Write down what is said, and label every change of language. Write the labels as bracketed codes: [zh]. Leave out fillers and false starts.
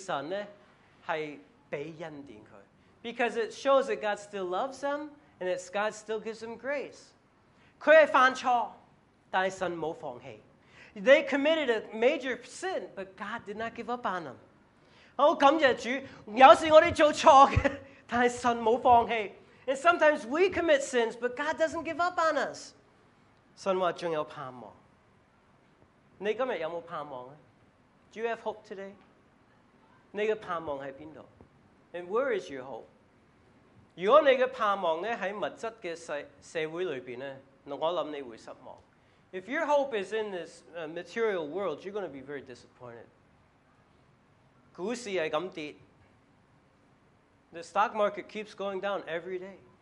[zh] 因为表示神是仍然爱他,表示神是被恩典他。 [en] Because it shows that God still loves them, and that God still gives them grace. [zh] 他是犯错,但神没放弃。 [en] They committed a major sin, but God did not give up on them. [zh] 好感谢主,有时我们做错的,但神没放弃。 [en] And sometimes we commit sins, but God doesn't give up on us. [zh] 神说还有盼望。你今天有没有盼望? [en] Do you have hope today? [zh] 你的盼望在哪里? [en] And where is your hope? [zh] 如果你的盼望在物质的社会里面,我想你会失望。 [en] If your hope is in this material world, you're going to be very disappointed. [zh] 股市是这样跌, [en] the stock market keeps going down every day.